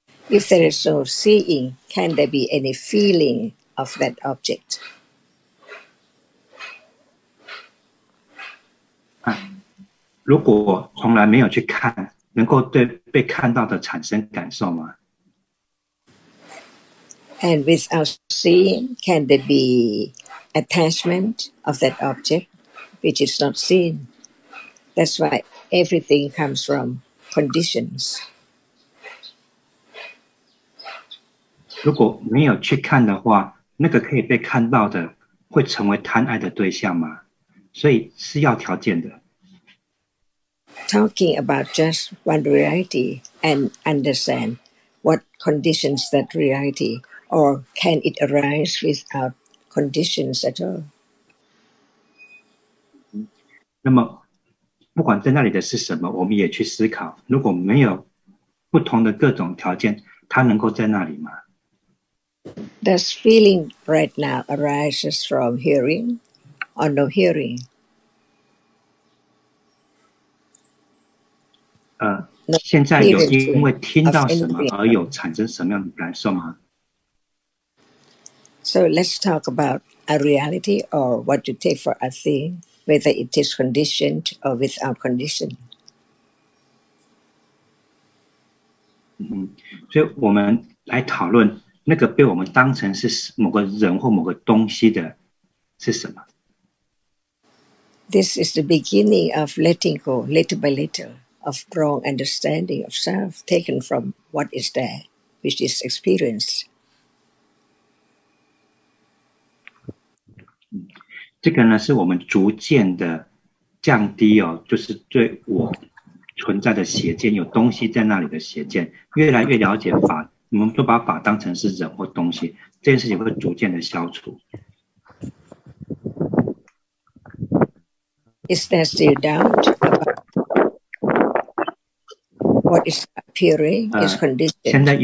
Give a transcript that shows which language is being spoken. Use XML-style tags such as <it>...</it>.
<en>If there is no seeing, can there be any feeling of that object?</en> <zh>如果从来没有去看，能够对被看到的产生感受吗？</zh> <en>And without seeing, can there be attachment of that object which is not seen? That's why everything comes from conditions.</en> <zh>如果没有去看的话，那个可以被看到的会成为贪爱的对象吗？所以是要条件的。</zh> <en>Talking about just one reality and understand what conditions that reality, or can it arise without conditions at all?</en> <zh>那么，不管在那里的是什么，我们也去思考，如果没有不同的各种条件，它能够在那里吗？</zh> <en>Does feeling right now arises from hearing or no hearing?</en> <zh>现在有因为听到什么而有产生什么样的感受吗？</zh> <en>So let's talk about a reality or what you take for a thing, whether it is conditioned or without condition.</en> <zh>嗯，所以我们来讨论那个被我们当成是某个人或某个东西的是什么。</zh> <en>This is the beginning of letting go, little by little, of wrong understanding of self taken from what is there, which is experience.</en> <zh>这个呢，是我们逐渐的降低哦，就是对我存在的邪见，有东西在那里的邪见，越来越了解法，我们都把法当成是人或东西，这件事情会逐渐的消除。</zh> <en>Is there still doubt about what is appearing is conditioned?</en>